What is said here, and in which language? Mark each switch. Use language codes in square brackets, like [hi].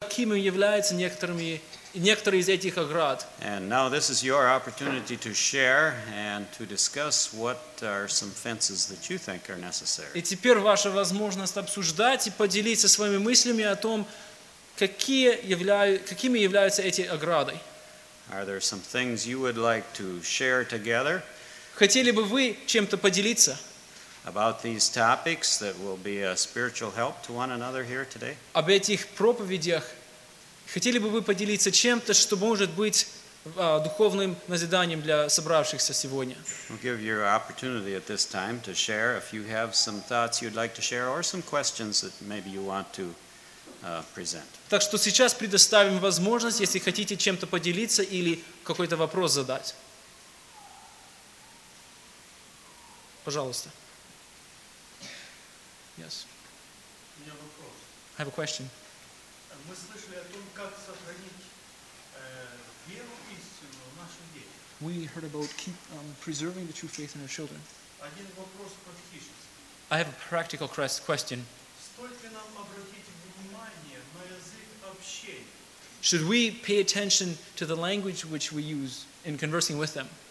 [ru] Иерусалиму является некоторые из этих оград. [en] And now this is your opportunity to share and to discuss what are some fences that you think are necessary. [ru] И теперь ваша возможность обсуждать и поделиться своими мыслями о том, какими являются эти ограды. [en] Are there some things you would like to share together? [ru] Хотели бы вы чем-то поделиться? [en] About these topics that will be a spiritual help to one another here today? [ru] Об этих проповедях хотели бы вы поделиться чем-то, что может быть духовным назиданием для собравшихся сегодня? [en] We'll give you an opportunity at this time to share if you have some thoughts you'd like to share or some questions that maybe you want to present. [ru] Так что сейчас предоставим возможность, если хотите чем-то поделиться или какой-то вопрос задать. Пожалуйста. [en] Yes. [ru] У меня вопрос. [en] I have a question. [ru] Мы слышали о том, как сохранить веру и истину в наших детях. [en] We heard about preserving the true faith in our children. [ru] Один вопрос практический. [en] I have a practical question. [ru] Стоит ли нам обратить внимание на язык общения? [en] Should we pay attention to the language which we use in conversing with them?